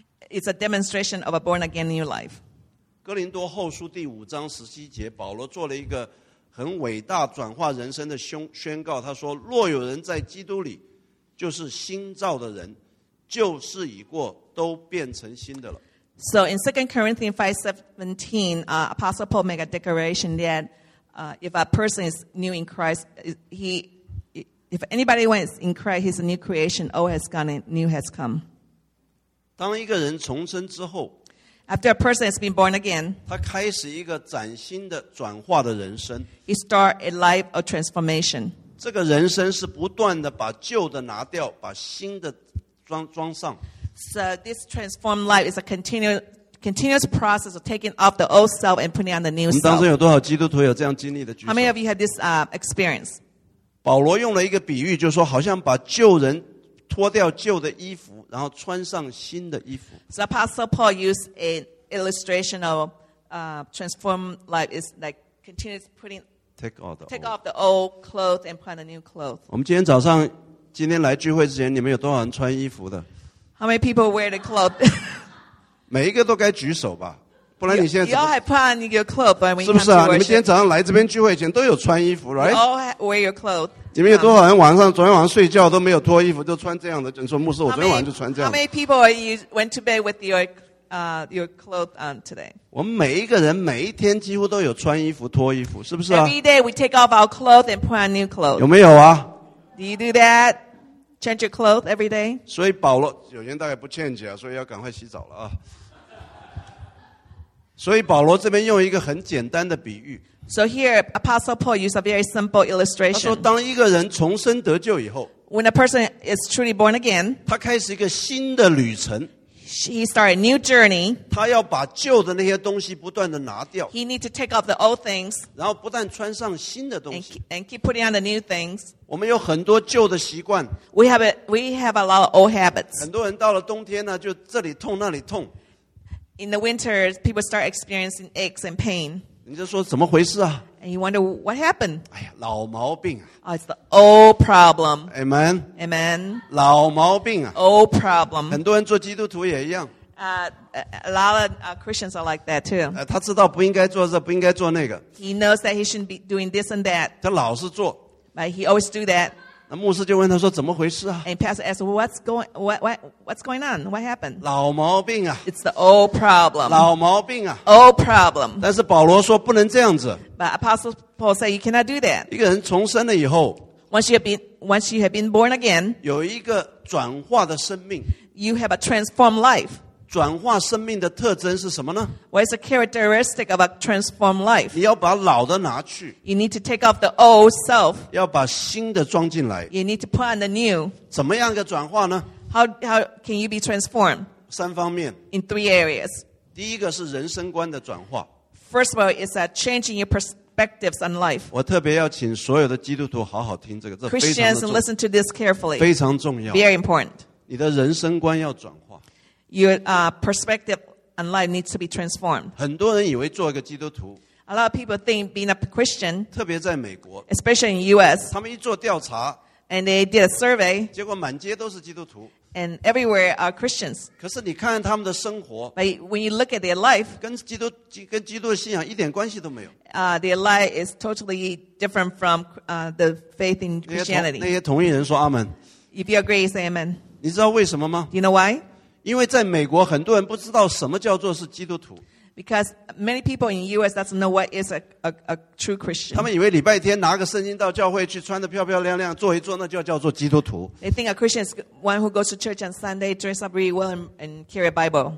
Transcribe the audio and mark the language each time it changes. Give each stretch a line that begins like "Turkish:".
English: It's a demonstration of a born again new life.
Chinese: 哥林多后书第五章十七节，保罗做了一个很伟大转化人生的宣告，他说若有人在基督里，就是新造的人，旧事已过，都变成新的了。
English: So in 2 Corinthians 5:17 Apostle Paul made a declaration that if a person is new in Christ, if anybody is in Christ, he's a new creation. Old has gone and new has come.
Chinese: 当一个人重生之后，
English: After a person has been born again,
Chinese: 他开始一个崭新的转化的人生。
English: He start a life of transformation.
Chinese: 这个人生是不断的把旧的拿掉，把新的装上。
English: So this transformed life is a continuous process of taking off the old self and putting on the new self.
Chinese: 你当中有多少基督徒有这样经历的？举手。
English: How many of you had this experience?
Chinese: 保罗用了一个比喻，就是说好像把旧人脱掉旧的衣服，然后穿上新的衣服。
English: So Apostle Paul used an illustration of transformed life is like continuous putting take off the old clothes and put on a new clothes.
Chinese: 我们今天早上今天来聚会之前，你们有多少人穿衣服的
English: ？How many people wear the clothes?
Chinese: 每一个都该举手吧，不然你现在
English: you all have put on your clothes, but when
Chinese: 是不是啊？你们今天早上来这边聚会前都有穿衣服 ，
English: right? You all wear your clothes.
Chinese: 你们有多少人晚上昨天晚上睡觉都没有脱衣服，就穿这样的？你说牧师，我昨天晚上就穿这样的。
English: How many people you went to bed with your clothes on today?
Chinese: 我们每一个人每一天几乎都有穿衣服脱衣服，是不是啊
English: ？Every day we take off our clothes and put on new clothes.
Chinese: 有没有啊
English: ？Do you do that? Change your clothes every day?
Chinese: 所以保罗有人大概不欠解，所以要赶快洗澡了啊。所以保罗这边用一个很简单的比喻。
English: So here, Apostle Paul used a very simple illustration.
Chinese: 他说，当一个人重生得救以后，
English: When a person is truly born again,
Chinese: 他开始一个新的旅程。
English: He started a new journey.
Chinese: 他要把旧的那些东西不断的拿掉。
English: He need to take off the old things.
Chinese: 然后不断穿上新的东西。
English: And keep putting on the new things.
Chinese: 我们有很多旧的习惯。
English: We have a lot of old habits.
Chinese: 很多人到了冬天呢，就这里痛那里痛。
English: In the winter, people start experiencing aches and pain.
Chinese: 你就说怎么回事啊
English: ？And you wonder what happened？
Chinese: 哎呀，老毛病啊
English: ！Oh, it's the old problem. Amen. Amen.
Chinese: 老毛病啊
English: ！Old problem.
Chinese: 很多人做基督徒也一样。
English: A lot of Christians are like that too.
Chinese: 他知道不应该做这，不应该做那个。
English: He knows that he shouldn't be doing this and that.
Chinese: 他老是做。
English: But he always do that.
Chinese: 那牧师就问他说怎么回事啊
English: ？And pastor asks, what's going on? What happened?
Chinese: 老毛病啊
English: ！It's the old problem.
Chinese: 老毛病啊
English: ！Old problem.
Chinese: 但是保罗说不能这样子。
English: But Apostle Paul said you cannot do that.
Chinese: 一个人重生了以后
English: ，once you have been born again，
Chinese: 有一个转化的生命。
English: You have a transformed life.
Chinese: 转化生命的特征是什么呢
English: ？What is the characteristic of a transformed life？
Chinese: 你要把老的拿去。
English: You need to take off the old self.
Chinese: 要把新的装进来。
English: You need to put on the new.
Chinese: 怎么样一个转化呢？
English: How can you be transformed?
Chinese: 三方面。
English: In three areas.
Chinese: 第一个是人生观的转化。
English: First of all, it's a changing your perspectives on life.
Chinese: 我特别要请所有的基督徒好好听这个，这非常的重要。
English: Christians, listen to this carefully.
Chinese: 非常重要。
English: Very important.
Chinese: 你的人生观要转化。
English: Your perspective on life needs to be transformed.
Chinese: 很多人以为做一个基督徒。
English: A lot of people think being a Christian.
Chinese: 特别在美国。
English: Especially in the US.
Chinese: 他们一做调查。
English: And they did a survey.
Chinese: 结果满街都是基督徒。
English: And everywhere are Christians.
Chinese: 可是你看他们的生活,
English: but when you look at their life,
Chinese: 跟基督的信仰一点关系都没有。
English: Their life is totally different from the faith in Christianity.
Chinese: 那些同意人说阿们。
English: If you agree, say amen.
Chinese: 你知道为什么吗?
English: Do you know why?
Chinese: 因为在美国很多人不知道什么叫做是基督徒。
English: Because many people in the U.S. doesn't know what is a true Christian.
Chinese: 他们以为礼拜天拿个圣经到教会去穿得漂漂亮亮坐一坐那就叫做基督徒。
English: They think a Christian is one who goes to church on Sunday, dress up really well, and carry a Bible.